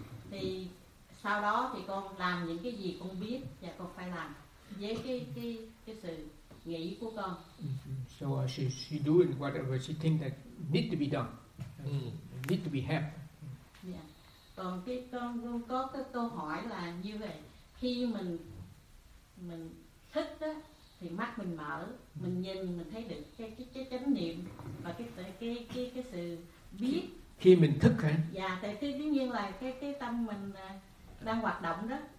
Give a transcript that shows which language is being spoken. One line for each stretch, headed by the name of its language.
Vietnamese: Thì sau đó thì con làm những cái gì con biết và con phải làm với cái sự nghĩ của con.
English: So she doing whatever she think that need to be done, need to be helped.
Vietnamese: Còn cái con luôn có cái câu hỏi là như vậy, khi mình thích đó, thì mắt mình mở, mình nhìn mình thấy được cái chánh niệm và cái sự biết. Khi mình thức hả? Dạ, tại vì tất nhiên là cái tâm mình đang hoạt động đó.